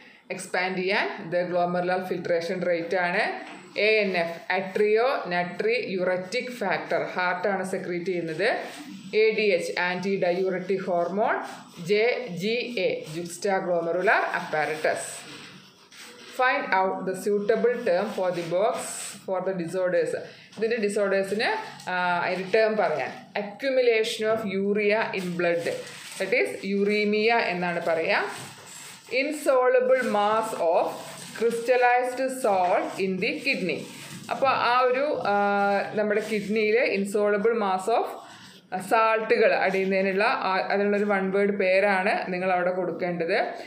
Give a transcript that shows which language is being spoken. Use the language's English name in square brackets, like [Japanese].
[Malayalam] Expand ചെയ്യാൻ the glomerular filtration rate ആണ് ANF, അട്രിയോ നട്രി യുററ്റിക് factor, ഹാർട്ടാണ് secrete ചെയ്യുന്നത്. ADH, anti diuretic hormone. JGA, ജുക്സ്റ്റാ glomerular apparatus. [English] Find out the suitable term for the box for the disorders. [Malayalam] ഇതിൻ്റെ ഡിസോർഡേഴ്സിന് ഒരു term പറയാൻ, [English] accumulation of urea in blood, that is uraemia [Malayalam] എന്നാണ് പറയുക. [English] Insoluble mass of crystallised salt in the kidney. [Malayalam] അപ്പോൾ ആ ഒരു നമ്മുടെ കിഡ്നിയിലെ insoluble mass of സാൾട്ടുകൾ അടിയുന്നതിനുള്ള അതിനുള്ളൊരു വൺ വേർഡ് പേരാണ് നിങ്ങൾ അവിടെ കൊടുക്കേണ്ടത്.